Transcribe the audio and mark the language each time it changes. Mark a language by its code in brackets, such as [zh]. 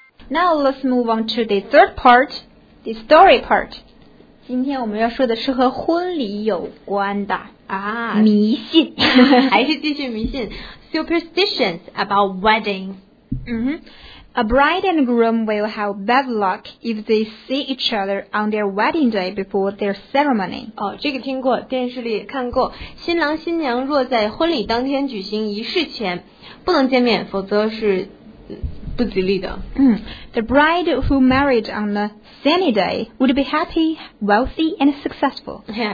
[en] Now let's move on to the third part, the story part. [zh] 今天我们要说的是和婚礼有关的。迷信还是继续迷信 [en] Superstitions about weddings、 A bride and groom will have bad luck if they see each other on their wedding day before their ceremony [zh] 这个听过电视里也看过新郎新娘若在婚礼当天举行仪式前不能见面否则是不吉利的、 [en] The bride who married on the sunny day would be happy, wealthy, and successful.